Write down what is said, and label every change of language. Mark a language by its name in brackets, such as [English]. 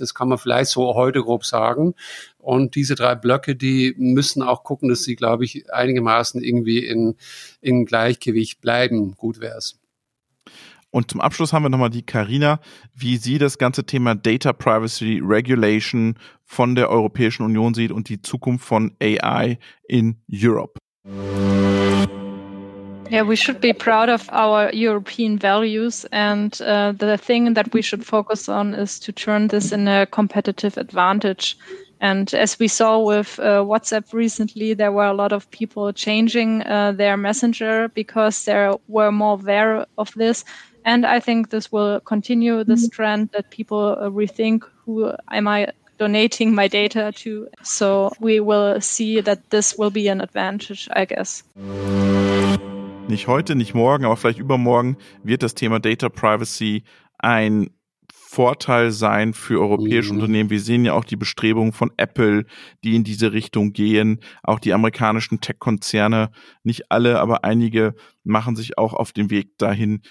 [German] Das kann man vielleicht so heute grob sagen. Und diese drei Blöcke, die müssen auch gucken, dass sie, glaube ich, einigermaßen irgendwie in Gleichgewicht bleiben. Gut wäre es. Und zum Abschluss haben wir nochmal die Carina, wie sie das ganze Thema Data Privacy Regulation von der Europäischen Union sieht und die Zukunft von AI in Europe. [English] Yeah, we should be proud of our European values, and the thing that we should focus on is to turn this in a competitive advantage. And as we saw with WhatsApp recently, there were a lot of people changing their messenger because there were more aware of this. And I think this will continue this trend that people rethink, who am I donating my data to? So we will see that this will be an advantage, I guess. [German] Nicht heute, nicht morgen, aber vielleicht übermorgen wird das Thema Data Privacy ein Vorteil sein für europäische Unternehmen. Wir sehen ja auch die Bestrebungen von Apple, die in diese Richtung gehen. Auch die amerikanischen Tech-Konzerne, nicht alle, aber einige machen sich auch auf den Weg dahin.